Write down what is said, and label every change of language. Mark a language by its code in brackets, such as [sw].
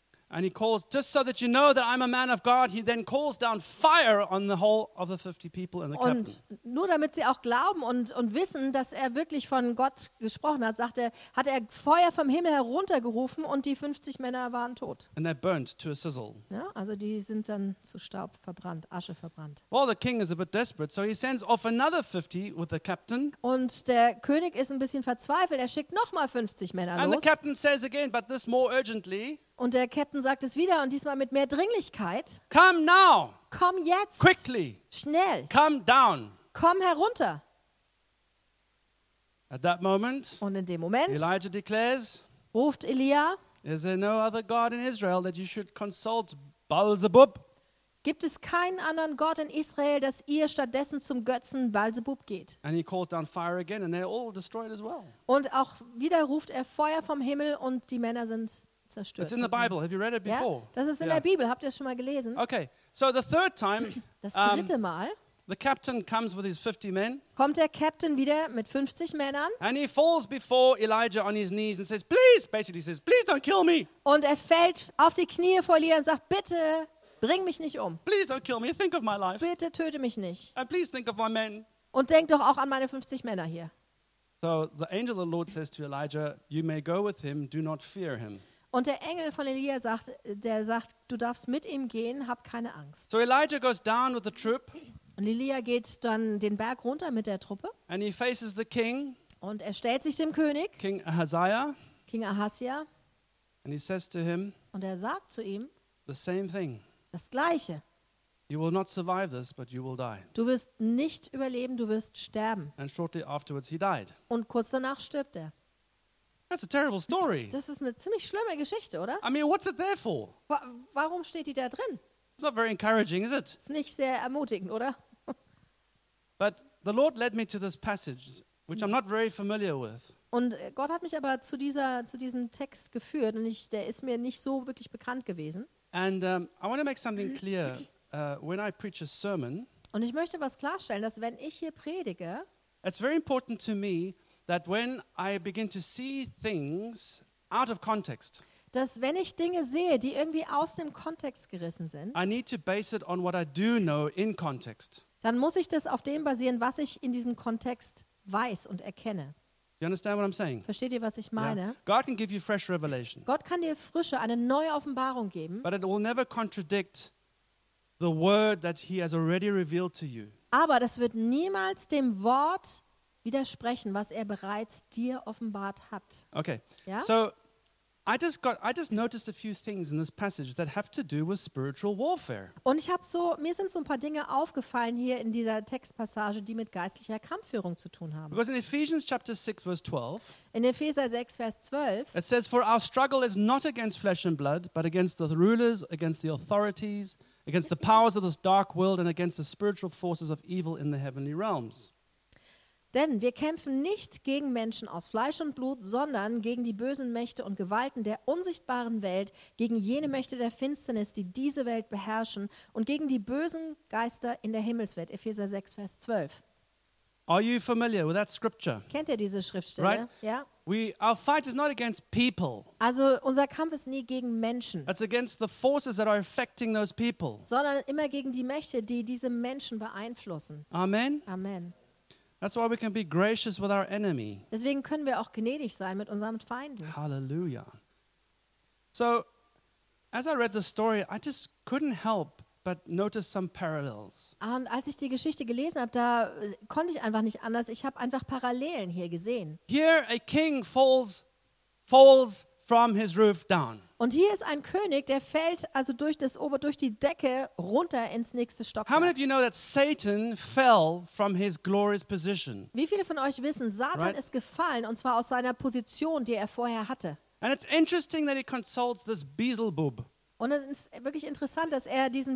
[en] And he calls, just so that you know that I'm a man of God, he then calls down fire on the whole of the 50 people and the captain. [de] Und nur damit sie auch glauben und wissen, dass er wirklich von Gott gesprochen hat, sagt er, hat er Feuer vom Himmel heruntergerufen und die 50 Männer waren tot. [en] And they burnt to a sizzle. [de] Ja, also die sind dann zu Staub verbrannt, Asche verbrannt. [en] Well, the king is a bit desperate, so he sends off another 50 with the captain. [de] Und der König ist ein bisschen verzweifelt, er schickt nochmal 50 Männer los. [en] And the captain says again, but this more urgently. [de] Und der Captain sagt es wieder und diesmal mit mehr Dringlichkeit. [en] Come now. [de] Komm jetzt. [en] Quickly. [de] Schnell. [en] Come down. [de] Komm herunter. [en] At that moment. [de] Und in dem Moment. [en] Elijah declares. [de] Ruft Elia. [en] Is there no other God in Israel that you should consult Baal-Zebub? [de] Gibt es keinen anderen Gott in Israel, dass ihr stattdessen zum Götzen Baal-Zebub geht? [en] And he calls down fire again and they're all destroyed as well. [de] Und auch wieder ruft er Feuer vom Himmel und die Männer sind [en] It's in the Bible. Have you read it before? [de] Ja, das ist in der Bibel. Habt ihr es schon mal gelesen? [en] Okay. So the third time, [de] das dritte Mal, [en] the captain comes with his 50 men. [de] Kommt der Captain wieder mit 50 Männern? [en] And he falls before Elijah on his knees and says, "Please," basically says, "Please don't kill me." [de] Und er fällt auf die Knie vor Elia und sagt, "Bitte, bring mich nicht um." [en] "Please don't kill me. Think of my life." [de] Bitte töte mich nicht. [en] "And please think of my men." [de] Und denk doch auch an meine 50 Männer hier. [en] So the angel of the Lord says to Elijah, "You may go with him. Do not fear him." [de] Und der Engel von Elia sagt, der sagt, du darfst mit ihm gehen, hab keine Angst. [en] So Elijah goes down with the troop. [de] Und Elia geht dann den Berg runter mit der Truppe. [en] And he faces the king. [de] Und er stellt sich dem König. [en] King Ahaziah. King Ahaziah. And he says to him. [de] Und er sagt zu ihm. [en] The same thing. [de] Das Gleiche. [en] You will not survive this, but you will die. [de] Du wirst nicht überleben, du wirst sterben. [en] And shortly afterwards he died. [de] Und kurz danach stirbt er. [en] That's a terrible story. [de] Das ist eine ziemlich schlimme Geschichte, oder? [en] I mean, what's it there for? [de] Warum steht die da drin? [en] It's not very encouraging, is it? [de] Ist nicht sehr ermutigend, oder? [en] But the Lord led me to this passage, which I'm not very familiar with. [de] Und Gott hat mich aber zu diesem Text geführt und der ist mir nicht so wirklich bekannt gewesen. [en] And I want to make something clear when I preach a sermon. [de] Und ich möchte was klarstellen, dass wenn ich hier predige, [en] it's very important to me that when I begin to see things out of context, [de] dass wenn ich Dinge sehe, die irgendwie aus dem Kontext gerissen sind, [en] I need to base it on what I do know in context. [de] Dann muss ich das auf dem basieren, was ich in diesem Kontext weiß und erkenne. [en] You understand what I'm saying? [de] Versteht ihr, was ich meine? [en] Yeah. God can give you fresh revelation. [de] Gott kann dir frische, eine neue Offenbarung geben. [en] But it will never contradict the word that he has already revealed to you. [de] Aber das wird niemals dem Wort widersprechen, was er bereits dir offenbart hat. [en] Okay. [de] Ja? [en] So I just noticed a few things in this passage that have to do with spiritual warfare. [de] Und mir sind so ein paar Dinge aufgefallen hier in dieser Textpassage, die mit geistlicher Kampfführung zu tun haben. [en] Because in Ephesians chapter 6 verse 12. [de] In Epheser 6 Vers 12. [en] It says for our struggle is not against flesh and blood, but against the rulers, against the authorities, against the powers of this dark world and against the spiritual forces of evil in the heavenly realms. [de] Denn wir kämpfen nicht gegen Menschen aus Fleisch und Blut, sondern gegen die bösen Mächte und Gewalten der unsichtbaren Welt, gegen jene Mächte der Finsternis, die diese Welt beherrschen und gegen die bösen Geister in der Himmelswelt. Epheser 6, Vers 12. [en] Are you familiar with that scripture? [de] Kennt ihr diese Schriftstelle? [en] Right? [de] Ja? [en] Our fight is not against people. [de] Also unser Kampf ist nie gegen Menschen. [en] It's against the forces that are affecting those people. [de] Sondern immer gegen die Mächte, die diese Menschen beeinflussen. [en] Amen. [de] Amen. [en] That's why we can be gracious with our enemy. [de] Deswegen können wir auch gnädig sein mit unserem Feinden. [en] Hallelujah. So, as I read the story, I just couldn't help but notice some parallels. [de] Und als ich die Geschichte gelesen habe, da konnte ich einfach nicht anders. Ich habe einfach Parallelen hier gesehen. [en] Here a king falls from his roof down. [de] Und hier ist ein König, der fällt also durch die Decke runter ins nächste Stockwerk. [en] How many of you know that Satan fell from his glorious position? [de] Wie viele von euch wissen, Satan ist gefallen und zwar aus seiner Position, die er vorher hatte? [en] And it's interesting that he consults this Beelzebub. [de] Und es ist wirklich interessant, dass er diesen